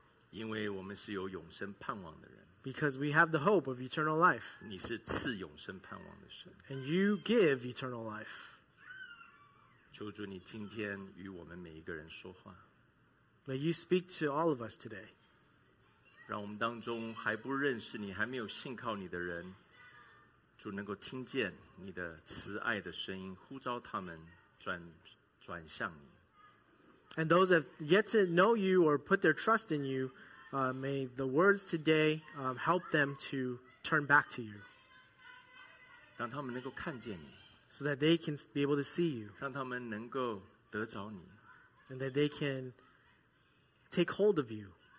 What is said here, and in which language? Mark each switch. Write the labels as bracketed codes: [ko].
[zh] 因为我们是有永生盼望的人。 [en] Because we have the hope of eternal life. [zh] 你是赐永生盼望的神。 [en] And you give eternal life. [zh] 求主你今天与我们每一个人说话。 [en] May you speak to all of us today. [zh] 让我们当中还不认识你，还没有信靠你的人，主能够听见你的慈爱的声音，呼召他们转向你。 [en] And those that have yet to know you or put their trust in you, may the words today help them to turn back to you. [zh] 让他们能够看见你。 [en] So that they can be able to see you. [zh] 让他们能够得着你。 [en] And that they can take hold of you.